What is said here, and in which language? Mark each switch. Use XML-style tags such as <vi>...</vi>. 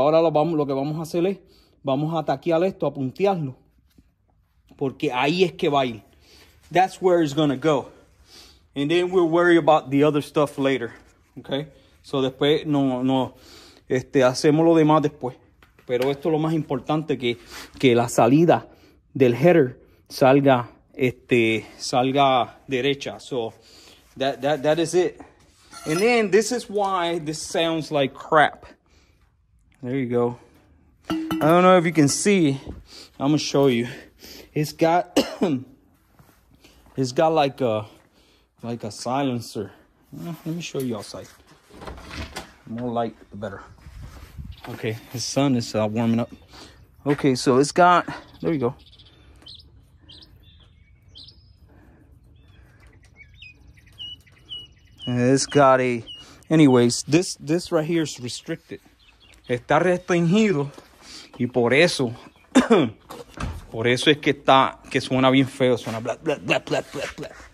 <es>Ahora lo que vamos a hacer es, vamos a taquear esto, a puntearlo. Porque ahí es que va a ir. That's where it's gonna go.</es> <en>And then we'll worry about the other stuff later.</en> <es>Okay. So después no hacemos lo demás después. Pero esto es lo más importante, que la salida del header salga derecha.</es> <en>So that is it. And then this is why this sounds like crap. There you go. I don't know if you can see. I'm gonna show you. It's got like a silencer. Let me show you outside. More light the better. Okay, the sun is warming up. Okay, so it's got, there you go. It's got a, anyways, this right here is restricted.</en> <es>Está restringido y por eso, por eso es que está, que suena bien feo, suena bla, bla, bla, bla, bla, bla.</es>